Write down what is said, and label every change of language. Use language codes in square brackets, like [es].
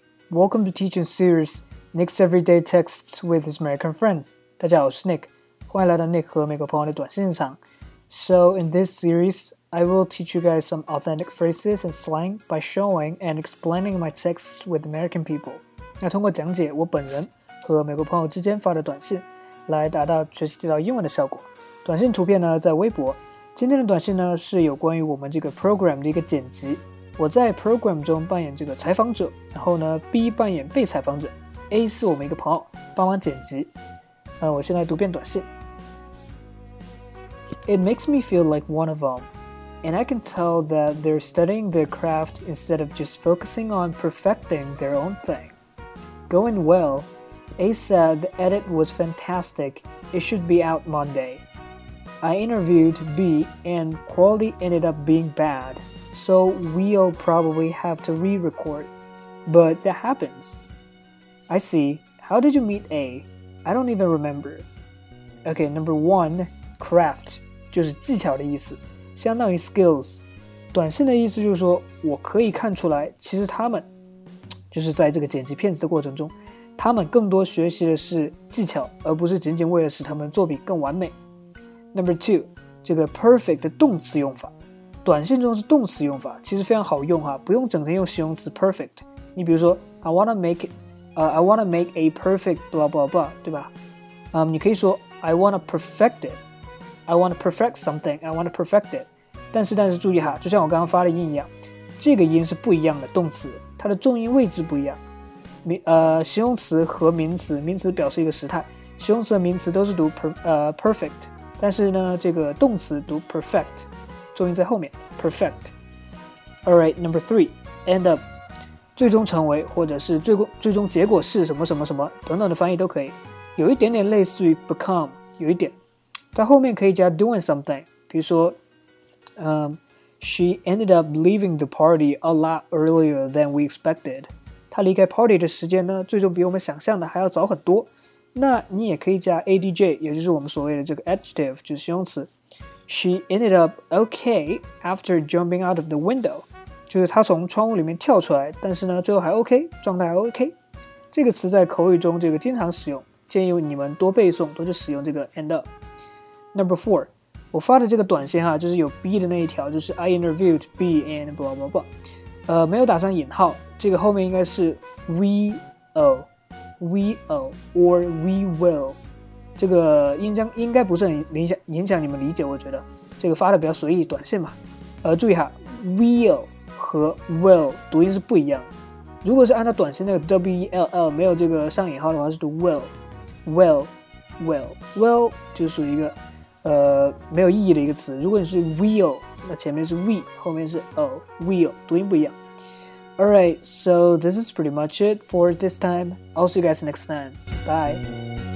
[en] Welcome to Teaching Series Nick's Everyday Texts with His American Friends. [zh] 大家好，我是 Nick， 欢迎来到 Nick 和美国朋友的短信日常。 [en] So in this series, I will teach you guys some authentic phrases and slang by showing and explaining my texts with American people. [zh] 那通过讲解我本人和美国朋友之间发的短信，来达到学习地道英文的效果。短信图片呢在微博。今天的短信呢是有关于我们这个 program 的一个剪辑。我在 program 中扮演这个采访者，然后呢 B 扮演被采访者， A 是我们一个朋友帮忙剪辑。我先来读遍短信。 [en] It makes me feel like one of them, and I can tell that they're studying their craft instead of just focusing on perfecting their own thing. Going well, A said the edit was fantastic, it should be out Monday. I interviewed B and quality ended up being bad. So we'll probably have to re-record. But that happens. I see. How did you meet A? I don't even remember. Okay, number one, craft. [zh] 就是技巧的意思，相当于 skills. 短信的意思就是说，我可以看出来，其实他们，就是在这个剪辑片子的过程中，他们更多学习的是技巧，而不是仅仅为了使他们作品更完美。 [en] Number two, [zh] 这个 perfect 的动词用法。短信中是动词用法，其实非常好用哈，不用整天用形容词 perfect。你比如说 [en] ，I wanna make a perfect blah blah blah， [zh] 对吧？你可以说 [en] I wanna perfect it， I wanna perfect something， I wanna perfect it。 [zh] 但是注意哈，就像我刚刚发的音一样，这个音是不一样的动词，它的重音位置不一样。形容词和名词，名词表示一个时态，形容词和名词都是读 perfect， 但是呢，这个动词读 perfect。重音在后面 perfect. [en] Alright, number three, end up. [zh] 最终成为或者是 最终结果是什么什么什么等等的翻译都可以。有一点点类似于 become, 有一点。在后面可以加 [en] doing something, [zh] 比如说 [en] She ended up leaving the party a lot earlier than we expected. [zh] 她离开 party 的时间呢最终比我们想象的还要早很多。那你也可以加 ADJ, 也就是我们所谓的这个 adjective, 就是形容词。 [en] She ended up okay after jumping out of the window. [zh] 就是她从窗户里面跳出来，但是呢，最后还 OK， 状态还 OK。这个词在口语中这个经常使用，建议你们多背诵，多去使用这个 end up。 [en] Number four， [zh] 我发的这个短信哈，就是有 B 的那一条，就是 [en] I interviewed B and blah blah [zh] blah。没有打上引号，这个后面应该是 [en] we'll or we will。 [zh] 这个应该不是很影响你们理解，我觉得这个发的比较随意，短信嘛。注意哈 ，will 和 will 读音是不一样。如果是按照短信那个 well 没有这个上引号的话，是读 will 就属于一个没有意义的一个词。如果你是 will， 那前面是 we， 后面是 will， 读音不一样。 [en] All right, so this is pretty much it for this time. I'll see you guys next time. Bye.